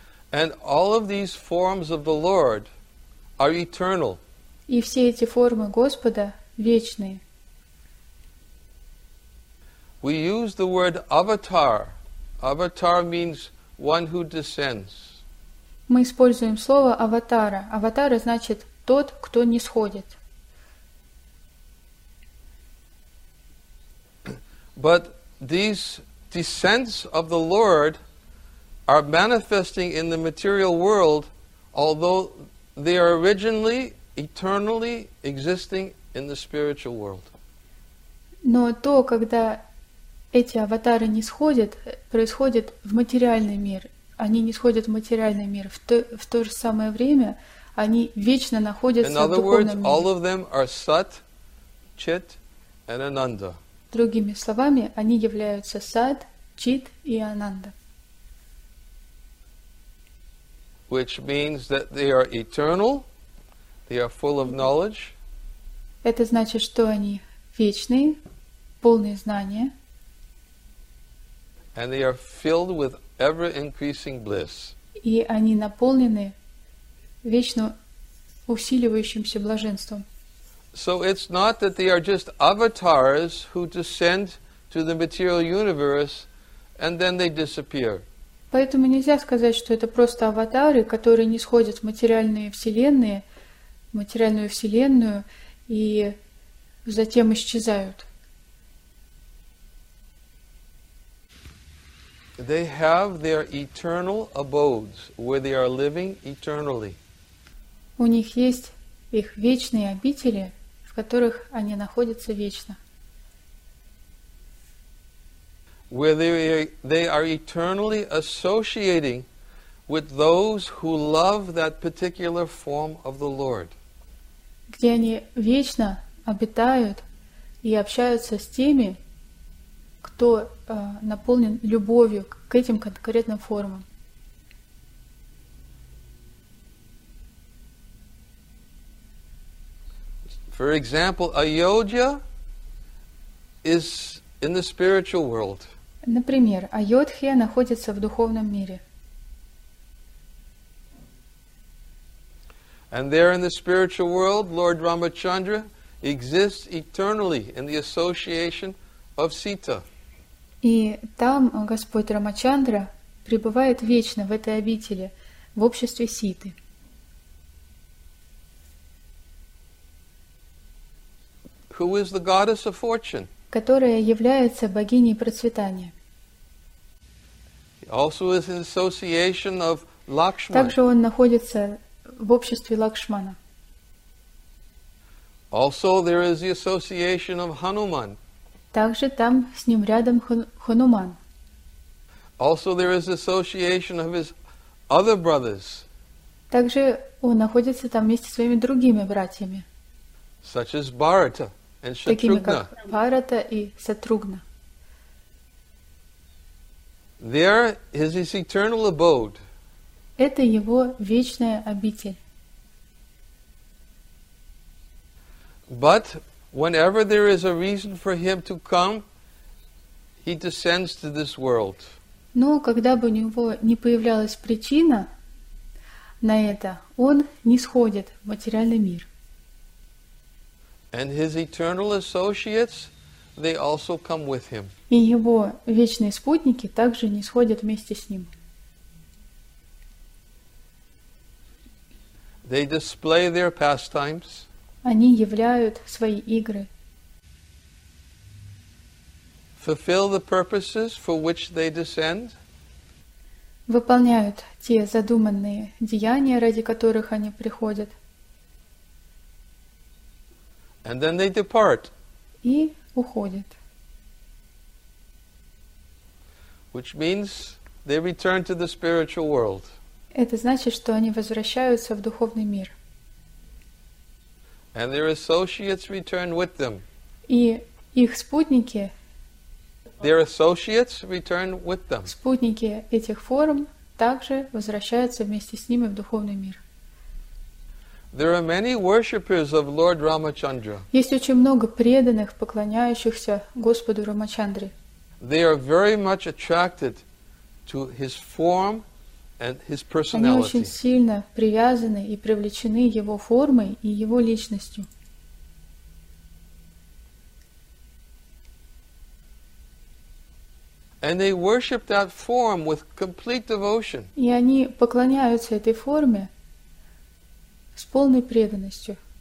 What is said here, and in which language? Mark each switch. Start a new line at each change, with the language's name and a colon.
English: And all of these forms of the Lord are eternal.
Russian: И все эти формы Господа вечные.
English: We use the word avatar. Avatar means one who descends.
Russian: Мы используем слово аватара. Аватара значит тот, кто нисходит.
English: But these descents of the Lord are manifesting in the material world, although they are originally eternally existing in the spiritual world.
Russian: Но то, когда эти аватары нисходят, происходит в материальный мир. Они нисходят в материальный мир. В то же самое время они вечно находятся в духовном мире.
English: In other words, all of them are Sat, Chit, and Ananda.
Russian: Другими словами, они являются Сат, Чит и Ананда.
English: Which means that they are eternal, they are full of knowledge.
Russian: Это значит, что они вечные, полные знания.
English: And they are filled with ever-increasing bliss.
Russian: И они наполнены вечно усиливающимся блаженством.
English: So it's not that they are just avatars who descend to the material universe and then they disappear.
Russian: Поэтому нельзя сказать, что это просто аватары, которые нисходят в материальные вселенные, в материальную вселенную и затем исчезают.
English: They have their eternal abodes where they are living eternally.
Russian: У них есть их вечные обители, в которых они находятся вечно.
English: Where they are eternally associating with those who love that particular form of the Lord.
Russian: Где они вечно обитают и общаются с теми, кто наполнен любовью к этим конкретным формам.
English: For example, Ayodhya is in the spiritual world.
Russian: Например, Айодхья находится в духовном мире.
English: And there in the spiritual world, Lord Ramachandra exists eternally in the association of Sita.
Russian: И там Господь Рамачандра пребывает вечно в этой обители, в обществе Ситы.
English: Who is the goddess of fortune?
Russian: Которая является богиней процветания.
English: Also is in association of Lakshmana.
Russian: Также он находится в обществе Лакшмана.
English: Also there is the association of Hanuman.
Russian: Также там с ним рядом Хануман.
English: Also there is association of his other brothers.
Russian: Также он находится там вместе с своими другими братьями.
English: Such as Bharata and Shatrughna.
Russian: Такими как Бхарата и Шатругна.
English: There is his eternal abode.
Russian: Это его вечная обитель.
English: But whenever there is a reason for him to come, he descends to this world.
Russian: Но когда бы у него не появлялась причина на это, он нисходит в материальный мир.
English: And his eternal associates, they also come with him.
Russian: И его вечные спутники также нисходят вместе с ним.
English: They display their pastimes.
Russian: Они являют свои игры.
English: Fulfill the purposes for which they descend.
Russian: Выполняют те задуманные деяния, ради которых они приходят.
English: And then they depart.
Russian: И уходят.
English: Which means they return to the spiritual world.
Russian: Это значит, что они возвращаются в духовный мир.
English: And their associates return with them.
Russian: И их спутники,
English: their associates return with them.
Russian: Спутники этих форм также возвращаются вместе с ними в духовный мир.
English: There are many worshippers of Lord Ramachandra.
Russian: Есть очень много преданных, поклоняющихся Господу Рамачандре.
English: They are very much attracted to his form and his personality.
Russian: Они очень сильно привязаны и привлечены его формой и его личностью.
English: And they worship that form with complete devotion.
Russian: И они поклоняются этой форме с полной преданностью.